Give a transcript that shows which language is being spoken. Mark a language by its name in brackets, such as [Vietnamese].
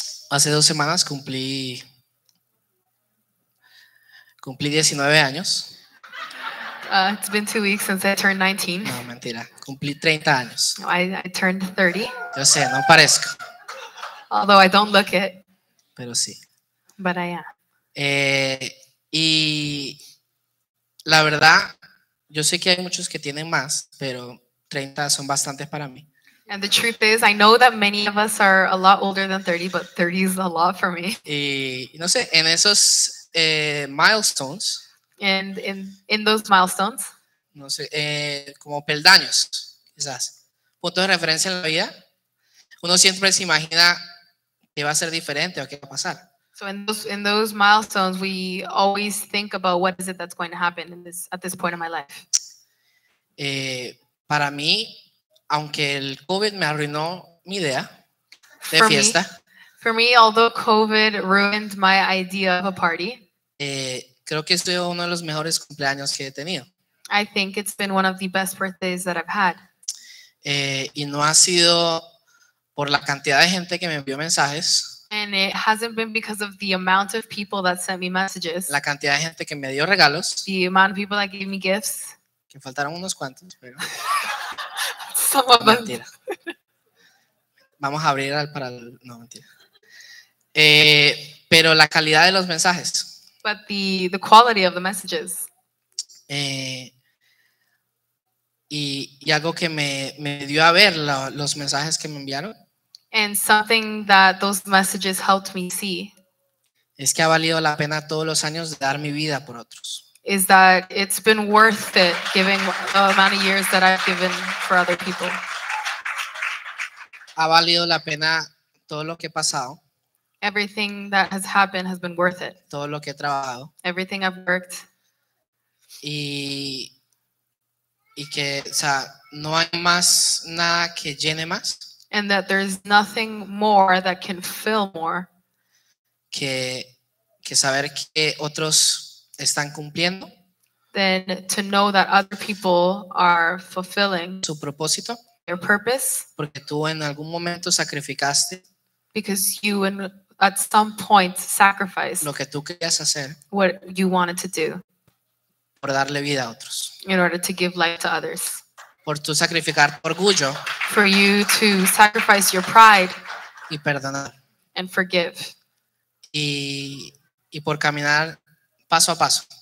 [Spanish] Hace 2 semanas cumplí 19 años. [English] It's been 2 weeks since I turned 19. [Spanish] No, mentira. Cumplí 30 años. [English] No, I turned 30. [Spanish] Yo sé, no parezco. [English] Although I don't look it. [Spanish] Pero sí. [English] But I am. [Spanish] Y la verdad, yo sé que hay muchos que tienen más, pero 30 son bastantes para mí. [English] And the truth is, I know that many of us are a lot older than 30, but 30 is a lot for me. [Spanish] Y no sé, en esos milestones. [English] And in those milestones. [Spanish] No sé, como peldaños, quizás. Puntos de referencia en la vida. Uno siempre se imagina que va a ser diferente o qué va a pasar. [English] So in those milestones, we always think about what is it that's going to happen at this point in my life. [Spanish] Para mí, aunque el COVID me arruinó mi idea de fiesta. [English] For me, although COVID ruined my idea of a party. [Spanish] Creo que este es uno de los mejores cumpleaños que he tenido. [English] I think it's been one of the best birthdays that I've had. [Spanish] Y no ha sido por la cantidad de gente que me envió mensajes. [English] And it hasn't been because of the amount of people that sent me messages. [Spanish] La cantidad de gente que me dio regalos. [English] The amount of people that gave me gifts. [Spanish] Que faltaron unos cuantos, pero. [English] Some of them. [Spanish] Mentira. Vamos a abrir al para el. No, mentira. Pero la calidad de los mensajes. [English] But the quality of the messages. [Spanish] Y algo que me dio a ver los mensajes que me enviaron. [English] And something that those messages helped me see. [Spanish] Es que ha valido la pena todos los años de dar mi vida por otros. [English] Is that it's been worth it giving the amount of years that I've given for other people. [Spanish] Ha valido la pena todo lo que he pasado. [English] Everything that has happened has been worth it. [Spanish] Todo lo que he trabajado. [English] Everything I've worked. [Spanish] Y que, o sea, no hay más nada que llene más. [English] And that there's nothing more that can fill more. [Spanish] Que saber que otros están cumpliendo. [English] Than to know that other people are fulfilling. [Spanish] Su propósito. [English] Their purpose. [Spanish] Porque tú en algún momento sacrificaste. [English] Because you and at some point sacrifice [Spanish] lo que tú querías hacer, [English] what you wanted to do [Spanish] por darle vida a otros, [English] in order to give life to others, [Spanish] por tu sacrificar tu orgullo, [English] for you to sacrifice your pride [Spanish] y perdonar, [English] and forgive [Spanish] y por caminar paso a paso,